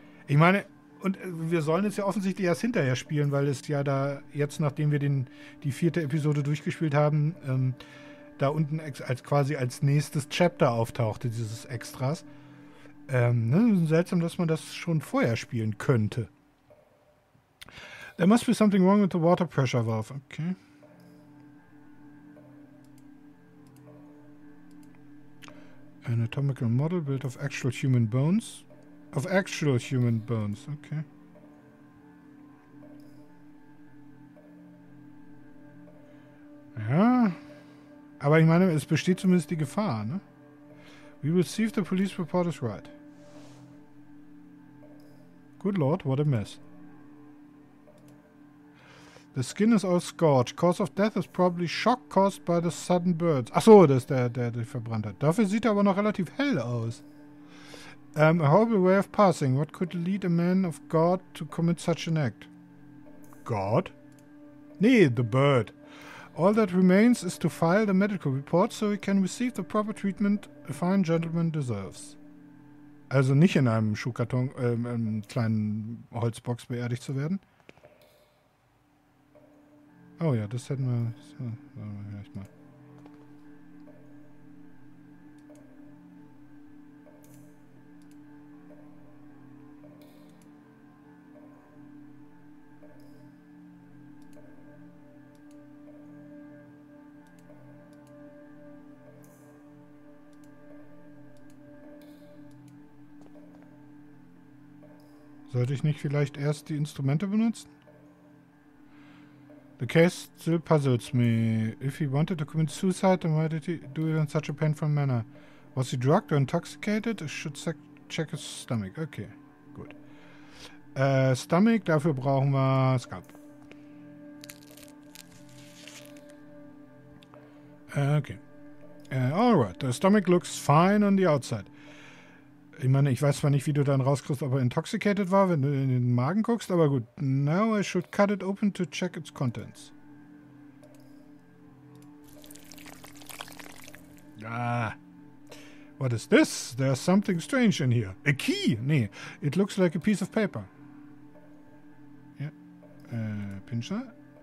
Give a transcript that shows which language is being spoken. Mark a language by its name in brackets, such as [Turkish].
[German] Ich meine, und wir sollen es ja offensichtlich erst hinterher spielen, weil es ja da jetzt, nachdem wir die vierte Episode durchgespielt haben, da unten als nächstes Chapter auftauchte, dieses Extras. Seltsam, dass man das schon vorher spielen könnte. [English] There must be something wrong with the water pressure valve. Okay. An anatomical model built of actual human bones. Of actual human bones. Okay. [German] Ja. Aber ich meine, es besteht zumindest die Gefahr, ne? [English] We will see if the police report is right. Good lord, what a mess. The skin is all scorched. Cause of death is probably shock caused by the sudden burns. [German] Achso, das ist der verbrannt hat. Dafür sieht er aber noch relativ hell aus. [English] A horrible way of passing. What could lead a man of God to commit such an act? God? Nee, the bird. All that remains is to file the medical report so he can receive the proper treatment a fine gentleman deserves. [German] Also nicht in einem Schuhkarton, in einem kleinen Holzbox beerdigt zu werden. Oh ja, das hätten wir. So, warte mal, vielleicht mal. Sollte ich nicht vielleicht erst die Instrumente benutzen? [English] The case still puzzles me. If he wanted to commit suicide, then why did he do it in such a painful manner? Was he drugged or intoxicated? I should check his stomach. Okay, gut. [German] Stomach, dafür brauchen wir Scalp. Okay. [English] Alright, the stomach looks fine on the outside. [German] Ich meine, ich weiß zwar nicht, wie du dann rauskriegst, ob er intoxicated war, wenn du in den Magen guckst, aber gut. [English] Now I should cut it open to check its contents. Ah. What is this? There's something strange in here. A key? Nee. It looks like a piece of paper. Ja. Pinscher.